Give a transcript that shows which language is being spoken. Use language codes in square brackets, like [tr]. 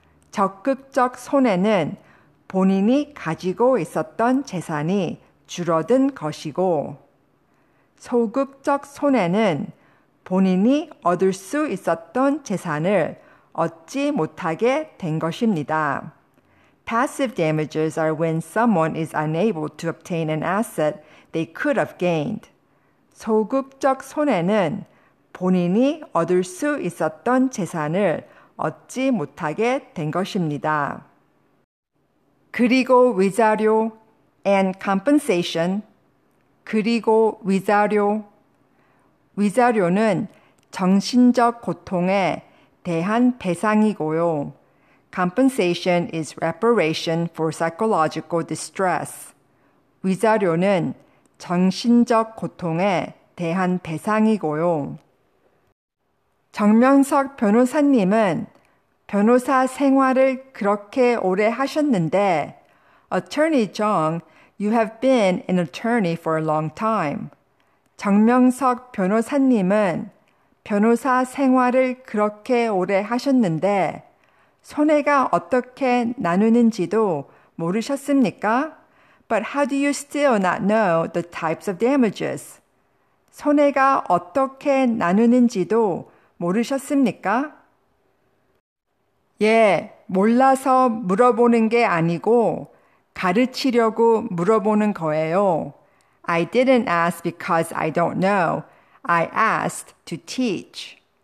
[ko] 적극적 손해는 본인이 가지고 있었던 재산이 줄어든 것이고, 소극적 손해는 본인이 얻을 수 있었던 재산을 얻지 못하게 된 것입니다. [en] Passive damages are when someone is unable to obtain an asset they could have gained. [ko] 소극적 손해는 본인이 얻을 수 있었던 재산을 얻지 못하게 된 것입니다. 그리고 위자료 [en] and compensation. [ko] 그리고 위자료. 위자료는 정신적 고통에 대한 배상이고요. [en] Compensation is reparation for psychological distress. [ko] 위자료는 정신적 고통에 대한 배상이고요. 정명석 변호사님은 변호사 생활을 그렇게 오래 하셨는데, [en] Attorney Zhang, you have been an attorney for a long time. [ko] 정명석 변호사님은 변호사 생활을 그렇게 오래 하셨는데, 손해가 어떻게 나누는지도 모르셨습니까? [en] But how do you still not know the types of damages? [ko] 손해가 어떻게 나누는지도 모르셨습니까? 예, 몰라서 물어보는 게 아니고 가르치려고 물어보는 거예요. [en] I didn't ask because I don't know. I asked to teach.